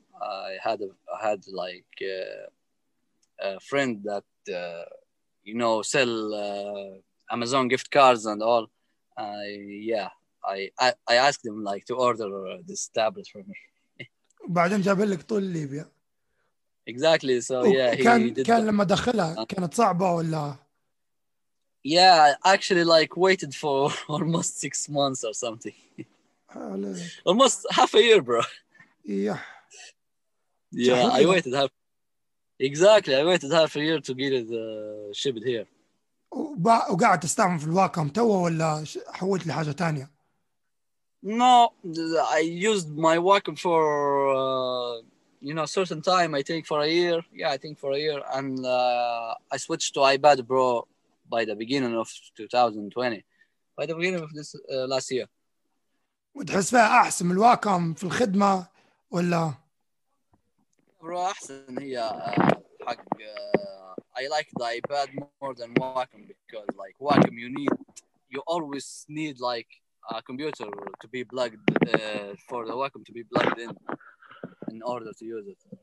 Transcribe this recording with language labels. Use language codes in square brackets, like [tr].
[en] I had like a friend that you know sell Amazon gift cards and all. I asked him like to order this tablet for me. [ar] بعدين جاب لك طول ليبيا. [en] Exactly. So yeah, [ar] كان لما دخلها كانت صعبة ولا؟ [en] Yeah, actually, like waited for almost 6 months or something. Almost half a year, bro. Yeah. Yeah, I waited half. Exactly, I waited half a year to get it shipped here. [ar] وقاعد تستعمل في الواكم توا ولا حولت لحاجة تانية؟ [en] No, I used my Wacom for, you know, certain time, I think for a year. Yeah, I think for a year. And I switched to iPad Pro by the beginning of 2020. By the beginning of this last year. [ar] وتحس فيها أحسن من الواكم في الخدمة ولا؟ Bro, أحسن هي حق... [en] I like the iPad more than Wacom because, like, Wacom, you always need, like, a computer to be plugged for the Wacom to be plugged in order to use it.